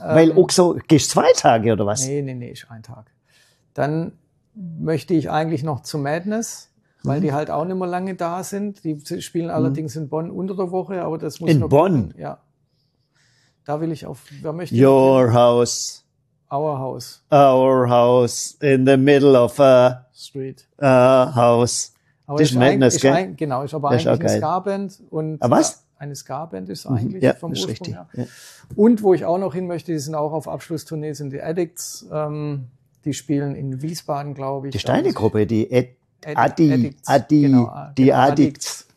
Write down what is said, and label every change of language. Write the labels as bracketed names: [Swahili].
[German] Weil auch so, gehst du 2 Tage oder was? Nee, ist ein Tag. Dann möchte ich eigentlich noch zu Madness. Weil die halt auch nicht mehr lange da sind. Die spielen allerdings in Bonn unter der Woche, aber das muss in noch. In Bonn? Kommen. Ja. Da will ich auf, wer möchte? [English] Your house. Our house. Our house in the middle of a street. A house. [German] Aber das ist Madness, gell? Genau, ist aber das eigentlich ist eine Ska-Band. Und was? Eine Ska-Band ist eigentlich vom Ursprung richtig. Her. Ja. Und wo ich auch noch hin möchte, die sind auch auf Abschlusstournee, sind die Addicts. Die spielen in Wiesbaden, glaube ich. Die Steine-Gruppe, die Addicts.